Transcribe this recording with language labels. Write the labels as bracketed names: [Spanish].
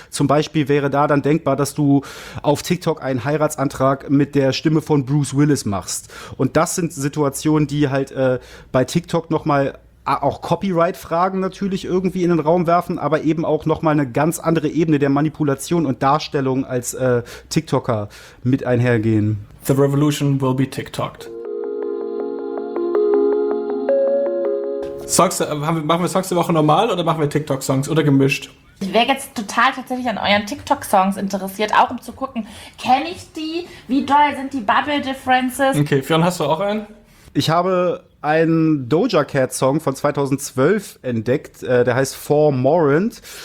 [German] Zum Beispiel wäre da dann denkbar, dass du auf TikTok einen Heiratsantrag mit der Stimme von Bruce Willis machst. Und das sind Situationen, die halt bei TikTok nochmal auch Copyright-Fragen natürlich irgendwie in den Raum werfen, aber eben auch nochmal eine ganz andere Ebene der Manipulation und Darstellung als TikToker mit einhergehen. [English] The revolution will be TikToked. [German] Songs, machen wir Songs der Woche normal oder machen wir TikTok-Songs oder gemischt? Ich wäre jetzt total tatsächlich an euren TikTok-Songs interessiert, auch um zu gucken, kenne ich die? Wie doll sind die Bubble-Differences? Okay, Fionn, hast du auch einen? Ich habe einen Doja Cat-Song von 2012 entdeckt, der heißt For Morant.